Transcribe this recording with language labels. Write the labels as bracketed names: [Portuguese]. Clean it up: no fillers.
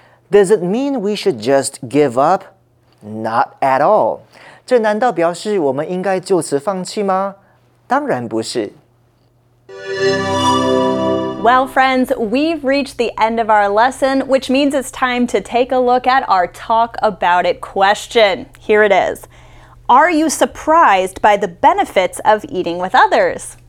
[English] Does it mean we should just give up? Not at all. [Chinese] 这难道表示我们应该就此放弃吗？当然不是。 [English] Well, friends, we've reached the end of our lesson, which means it's time to take a look at our talk about it question. Here it is. Are you surprised by the benefits of eating with others?